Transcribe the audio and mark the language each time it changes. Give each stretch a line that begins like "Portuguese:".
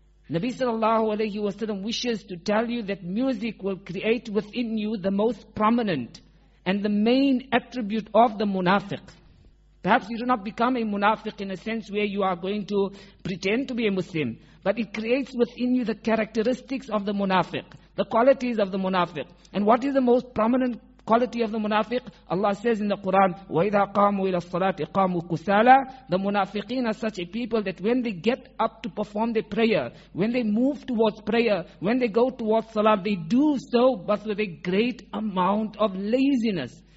English: Nabi sallallahu alayhi wa sallam wishes to tell you that music will create within you the most prominent and the main attribute of the munafiq. Perhaps you do not become a munafiq in a sense where you are going to pretend to be a Muslim, but it creates within you the characteristics of the munafiq, the qualities of the munafiq. And what is the most prominent quality of the munafiq? Allah says in the Quran,
Arabic: وَإِذَا قَامُوا إِلَى الصَّلَاةِ قَامُوا كُسَالَى.
English: The munafiqeen are such a people that when they get up to perform their prayer, when they move towards prayer, when they go towards salah, they do so but with a great amount of laziness.